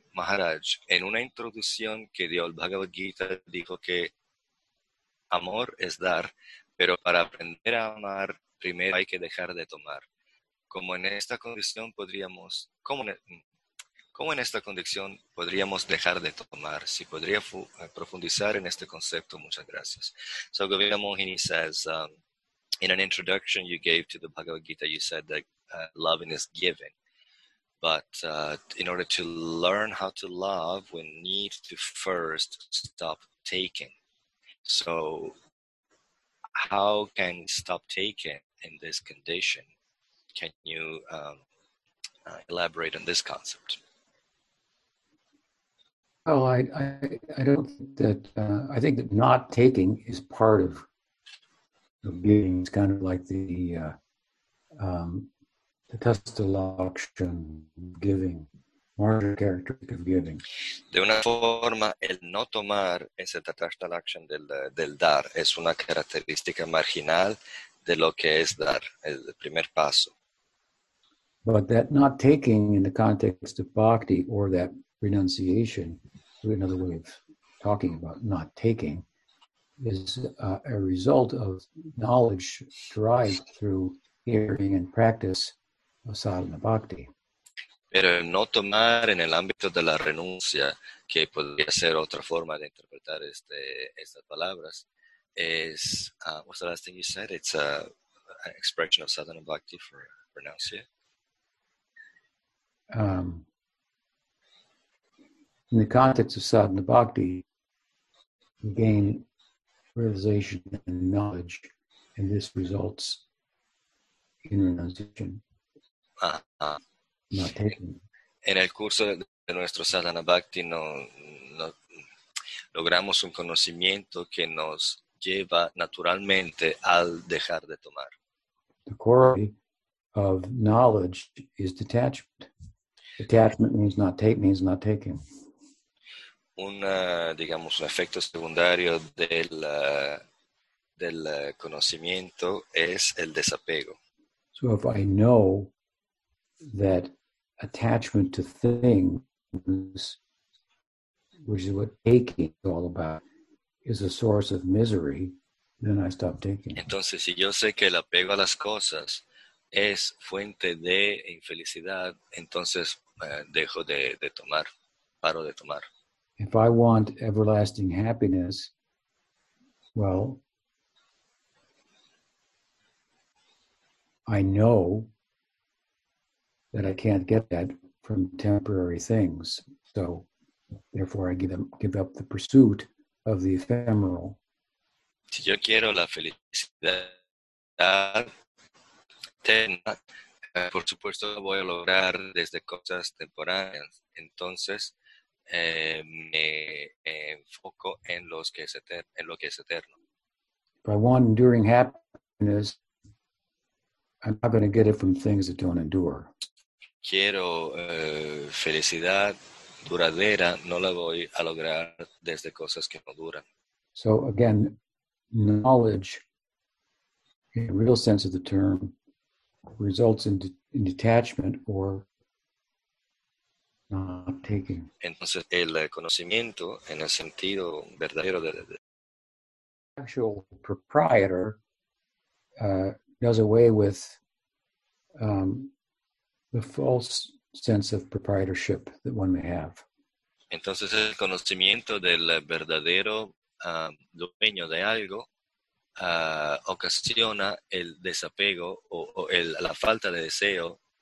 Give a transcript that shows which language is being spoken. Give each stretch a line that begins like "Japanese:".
Spanish: Maharaj, en una introducción que dio el Bhagavad Gita, dijo que amor es dar, pero para aprender a amar, primero hay que dejar de tomar. ¿Cómo en esta condición podríamos dejar de tomar? Si podría profundizar en este concepto, muchas gracias.
English: So Govinda Mohini says, in an introduction you gave to the Bhagavad Gita, you said that loving is giving. But in order to learn how to love, we need to first stop taking. So how can we stop taking in this condition? Can you elaborate on this concept? Oh, I don't think that, I think that not taking is part of giving. It's kind of like the Tustalakshan giving, martyr characteristic of giving.
Spanish: De una forma, el no tomar es el Tustalakshan del dar. Es una característica marginal de lo que es dar, el primer paso.
English: But that not taking in the context of bhakti or that renunciation, another way of talking about not taking, is a result of knowledge derived through hearing and practice of sadhana bhakti.
Spanish: Pero no tomar en el ámbito de la renuncia, que podría ser otra forma de interpretar estas palabras,
English: is, what's the last thing you said? It's an expression of sadhana bhakti for renuncia. In the context of sadhana bhakti, we gain realization and knowledge, and this results in renunciation. Not taking.
Spanish: En el curso de nuestro sadhana bhakti, no logramos un conocimiento que nos lleva naturalmente al dejar de tomar.
English: The core of knowledge is detachment. Detachment means not taking.
Spanish: Un efecto secundario del conocimiento es el desapego.
English: So if I know that attachment to things, which is what taking is all about, is a source of misery, then I stop taking.
Spanish: Entonces, si yo sé que el apego a las cosas es fuente de infelicidad, entonces dejo de tomar, paro de tomar.
English: If I want everlasting happiness, well, I know that I can't get that from temporary things. So, therefore, I give up the pursuit of the ephemeral.
Spanish: Si yo quiero la felicidad, por supuesto, voy a lograr desde cosas temporales. Entonces, me enfoco en lo que es eterno.
English: If I want enduring happiness, I'm not going to get it from things that don't endure.
Spanish: Quiero felicidad duradera, no la voy a lograr desde cosas que no duran.
English: So again, knowledge, in a real sense of the term, results in detachment or not taking.
Spanish: Entonces, el conocimiento en el sentido verdadero de the
English: actual proprietor does away with the false sense of proprietorship that one may have.
Spanish: Entonces, el conocimiento del verdadero dueño de algo ocasiona el desapego o la falta de deseo